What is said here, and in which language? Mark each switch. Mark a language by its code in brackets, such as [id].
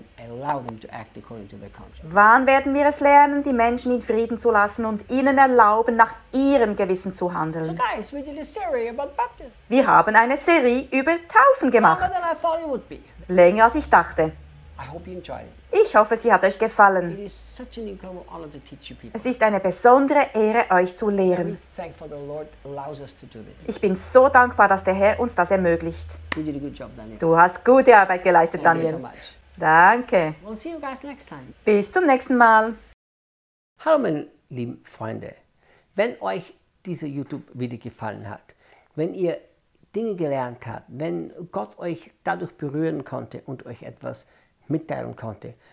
[de] Wann werden wir es lernen, die Menschen in Frieden zu lassen und ihnen erlauben, nach ihrem Gewissen zu handeln? [en] So guys, we did a series about baptism. [de] Wir haben eine Serie über Taufen gemacht. [en] Longer than I thought it would be. [de] Länger als ich dachte. [en] I hope you enjoyed it. [de] Ich hoffe, sie hat euch gefallen. [en] It is such an incredible honor to teach you people. [de] Es ist eine besondere Ehre, euch zu lehren. [en] I'm really thankful the Lord allows us to do this. [de] Ich bin so dankbar, dass der Herr uns das ermöglicht. [en] You did a good job, Daniel. [de] Du hast gute Arbeit geleistet, [en] Thank [de] Daniel. [en] You so much. [de] Danke. [en] We'll see you guys next time. [de] Bis zum nächsten Mal. Hallo, meine lieben Freunde. Wenn euch dieser YouTube-Video gefallen hat, wenn ihr Dinge gelernt habt, wenn Gott euch dadurch berühren konnte und euch etwas mitteilen konnte.